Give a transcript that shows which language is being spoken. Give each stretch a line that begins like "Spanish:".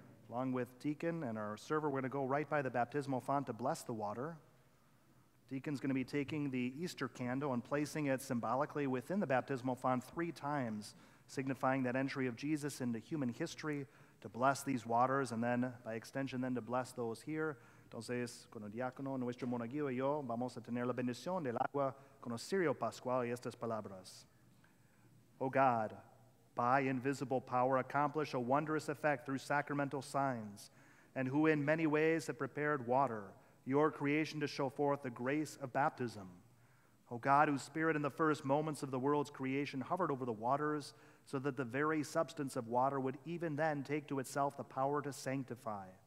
English: Along with Deacon and our server, we're going to go right by the baptismal font to bless the water. Deacon's going to be taking the Easter candle and placing it symbolically within the baptismal font three times, signifying that entry of Jesus into human history to bless these waters, and then, by extension, then to bless those here.
Spanish: Entonces, con el diácono, nuestro monaguillo y yo, vamos a tener la bendición del agua con el cirio pascual y estas palabras.
English: O God, by invisible power accomplish a wondrous effect through sacramental signs, and who in many ways have prepared water, your creation to show forth the grace of baptism. O God, whose spirit in the first moments of the world's creation hovered over the waters so that the very substance of water would even then take to itself the power to sanctify.